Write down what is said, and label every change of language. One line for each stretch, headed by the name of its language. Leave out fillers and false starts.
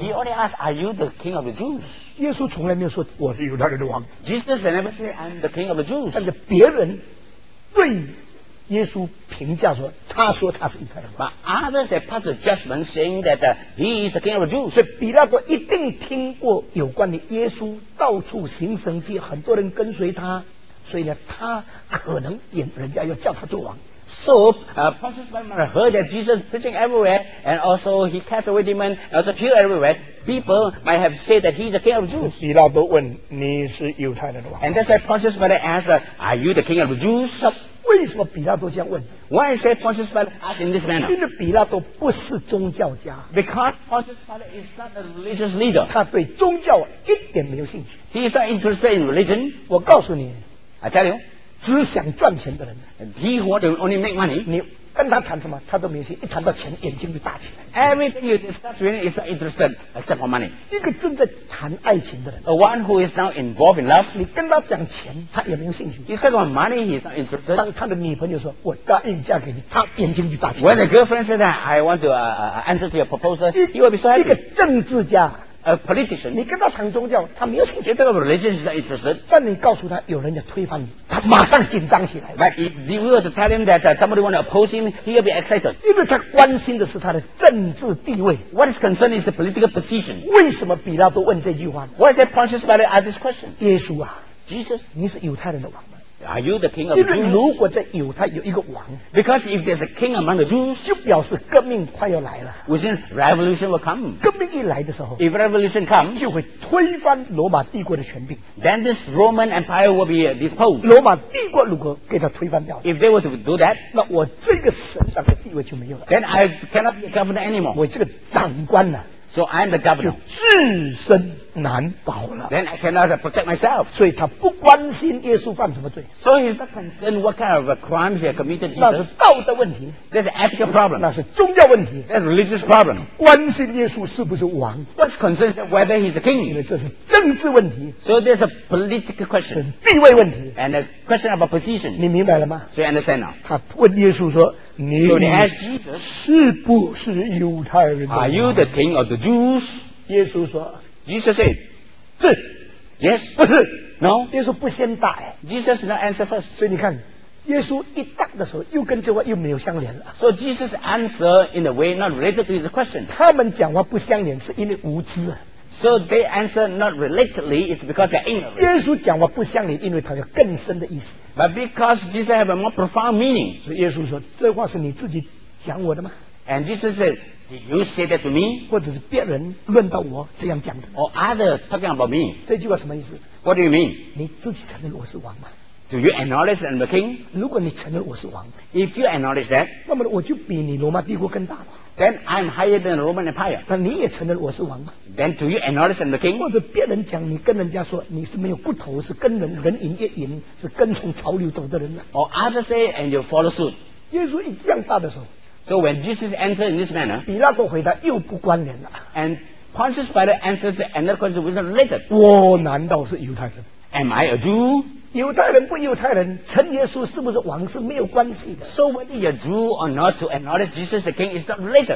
English: He only asked, are you the king of the Jews?
Chinese: 耶稣从来没有说我是犹太人的王。
English: Jesus never said, I'm the king of the Jews.
Chinese: 但是别人对耶稣评价说，他说他是犹太人。
English: But others have passed the judgment, saying that he is the king of the Jews.
Chinese: 所以比拉多一定听过有关的耶稣到处行神迹，很多人跟随他，所以呢，他可能也人家要叫他做王。
English: So, Pontius Pilate heard that Jesus preaching everywhere, and also he cast away demons, and also healed everywhere. People might have said that he is the king of the Jews.
Chinese: 比拉多问你是犹太人的王。
English: And that's why Pontius Pilate asked, "Are you the king of the Jews?"
Chinese: 为什么比拉多这样问？
English: Why is Pontius Pilate asking this manner?
Chinese: 因为比拉多不是宗教家。
English: Because Pontius Pilate is not a religious leader.
Chinese: 他对宗教一点没有兴趣。
English: He is not interested in religion.
Chinese: 我告诉你。
English: I tell you.
Chinese: 只想赚钱的人
English: he want to only make money.
Chinese: 你跟他谈什么他都没兴趣，一谈到钱眼睛就大起来。
English: Everything you discuss really is not interested except for money.
Chinese: 一个正在谈爱情的人
English: a one who is now involved in love,
Chinese: 你跟他讲钱他也没有兴趣。
English: He's talking about money, he's not interested.
Chinese: 当他的女朋友说我答应嫁给你，他眼睛就大起来。
English: When the girlfriend says that I want to answer to your proposal, he will be so happy.
Chinese: 一个政治家
English: A politician.
Chinese: 你跟他谈宗教，他没有兴趣。
English: 这个 religion is interested.
Chinese: 但你告诉他有人要推翻你，他马上紧张起来。
English: But if you were to tell him that somebody want to oppose him, he will be excited.
Chinese: 因为他关心的是他的政治地位。
English: What is concerned is the political position.
Chinese: 为什么比拉多问这句话？
English: Why is Pontius Pilate ask this question?
Chinese: 耶稣啊，
English: Jesus,
Chinese: 你是犹太人的王吗？
English: Are you the king of the Jews?
Chinese: 因为如果在犹太有一个王，
English: because if there's a king among the Jews,
Chinese: 就表示革命快要来了。
English: Within revolution will come.
Chinese: 革命一来的时候，
English: if revolution comes,
Chinese: 就会推翻罗马帝国的权柄。
English: Then this Roman Empire will be disposed.
Chinese: 罗马帝国如果给他推翻掉了，
English: if they were to do that,
Chinese: 那我这个省长的地位就没有了。
English: Then I cannot be a governor anymore.
Chinese: 我这个长官呢？
English: So I'm the governor.
Chinese: 就自身难保了。
English: Then I cannot protect myself.
Chinese: 所以他不关心耶稣犯什么罪。
English: So he's not concerned what kind of a crime he had committed.
Chinese: 那是道德问题。
English: That's an ethical problem.
Chinese: 那是宗教问题。
English: That's a religious problem.
Chinese: 关心耶稣是不是王。
English: What's concerned whether he's a king?
Chinese: 因为这是政治问题。
English: So there's a political question.
Chinese: 这是地位问题。
English: And a question of a position.
Chinese: 你明白了吗？
English: So you understand now?
Chinese: 他问耶稣说你
English: so they ask Jesus,
Chinese: 是不是犹太人的王？
English: Are you the king of the Jews?
Chinese: 耶稣说，
English: Jesus said,
Chinese: 是。
English: Yes,
Chinese: 不是。
English: No,
Chinese: 耶稣不先答。
English: Jesus did not answer first.
Chinese: 所以你看，耶稣一答的时候，又跟这话又没有相连了。
English: So Jesus answered in a way not related to his question.
Chinese: 他们讲话不相连，是因为无知。
English: So they answer not relatedly, it's because they're ignorant.
Chinese: 耶稣讲话不相连，因为他有更深的意思。
English: But because Jesus have a more profound meaning.
Chinese: 所以耶稣说，这话是你自己讲我的吗？
English: And Jesus said, did you say that to me?
Chinese: 或者是别人论到我这样讲的？
English: Or other talking about me?
Chinese: 这句话什么意思？
English: What do you mean?
Chinese: 你自己承认我是王吗？
English: Do you acknowledge I'm the king?
Chinese: 如果你承认我是王，
English: if you acknowledge that,
Chinese: 那么我就比你罗马帝国更大了。
English: Then I'm higher than the Roman Empire.
Chinese: 那你也承认我是王吗？
English: Then do you acknowledge I'm the king?
Chinese: 或者别人讲你跟人家说你是没有骨头，是跟人云亦云，是跟从潮流走的人呢？
English: Or others say and you follow suit.
Chinese: 耶稣一降大的时候，
English: So when Jesus entered in this manner,
Chinese: 比拉多回答又不关联了。
English: And Pontius Pilate answered another question which is related.
Chinese: 我难道是犹太人？
English: Am I a Jew?
Chinese: 犹太人不犹太人，承耶稣是不是王是没有关系的。
English: So whether you're Jew or not to acknowledge Jesus the king is not related.